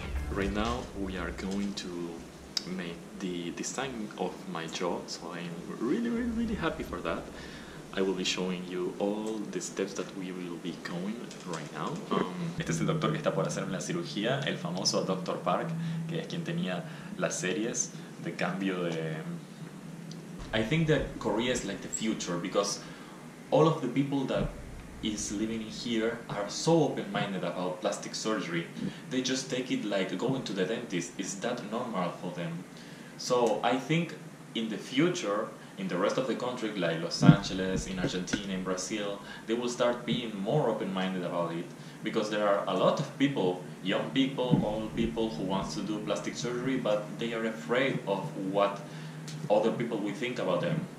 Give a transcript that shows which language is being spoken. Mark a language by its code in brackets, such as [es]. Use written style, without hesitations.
[en] Right now, we are going to make the design of my jaw, so I'm really, really, really happy for that. I will be showing you all the steps that we will be going right now. [es] Este es el doctor que está por hacerme la cirugía, el famoso Dr. Park, que es quien tenía las series de cambio de... [en] I think that Korea is like the future, because all of the people that is living here are so open-minded about plastic surgery. They just take it like going to the dentist. Is that normal for them? So I think in the future, in the rest of the country, like Los Angeles, in Argentina, in Brazil, they will start being more open-minded about it, because there are a lot of people, young people, old people, who wants to do plastic surgery, but they are afraid of what other people will think about them.